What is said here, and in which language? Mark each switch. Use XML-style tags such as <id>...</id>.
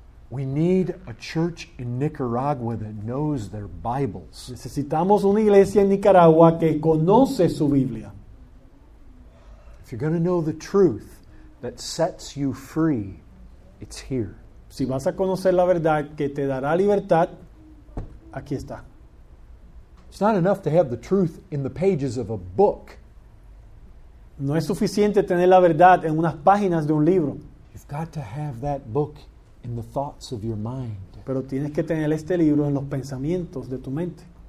<en>We need a church in Nicaragua that knows their Bibles.</en> <es>Necesitamos una iglesia en Nicaragua que conoce su Biblia.</es> <en>If you're going to know the truth that sets you free, it's here.</en> <es>Si vas a conocer la verdad que te dará libertad, aquí está.</es> <en>It's not enough to have the truth in the pages of a book.</en> <es>No es suficiente tener la verdad en unas páginas de un libro.</es> <en>You've got to have that book in the thoughts of your mind.</en> <es>Pero tienes que tener este libro en los pensamientos de tu mente.</es>